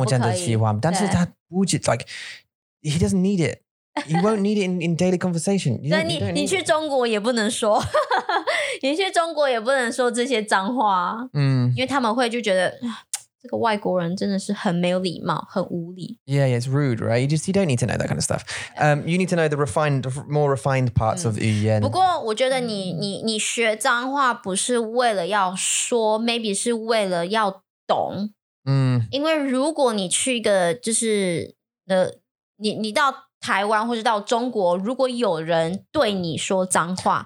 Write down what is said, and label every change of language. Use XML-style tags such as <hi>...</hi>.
<zh>我真的喜欢，但是他不止</zh> <en>like, he doesn't need it. You won't need it in daily conversation.</en> <zh>对，你去中国也不能说，你去中国也不能说这些脏话，因为他们会就觉得这个外国人真的是很没有礼貌，很无礼。</zh> <en>Yeah, it's rude, right? You don't need to know that kind of stuff. You need to know the refined, more refined parts of 语言。</en> <zh>不过我觉得你学脏话不是为了要说 ，maybe 是为了要懂。因为如果你去一个就是你到台湾或者到中国，如果有人对你说脏话</zh>